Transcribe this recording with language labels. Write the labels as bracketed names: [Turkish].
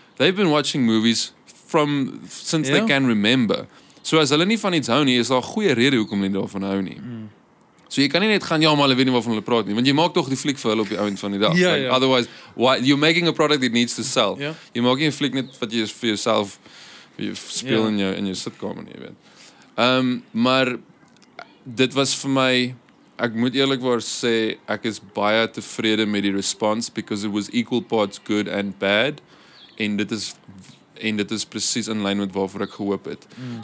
[English] They've been watching movies since they can remember. [Afrikaans] So as hulle nie van iets hou nie, is daar goeie rede hoekom hulle daarvan hou nie. Mm. So jy kan nie net gaan, maar hulle weet nie waarvan hulle praat nie, want jy maak toch die fliek vir hulle op die eind van die dag. Yeah, [English] like, otherwise, you're making a product that needs to sell. Yeah. [Afrikaans] Jy maak nie een fliek net wat jy vir jouself speel in jou, sitkamer nie, jy weet. Maar dit was vir my, ek moet eerlikwaar sê, ek is baie tevrede met die response, [English] because it was equal parts good and bad, [Afrikaans] en dit is precies in line met waarvoor ek gehoop het. Mm.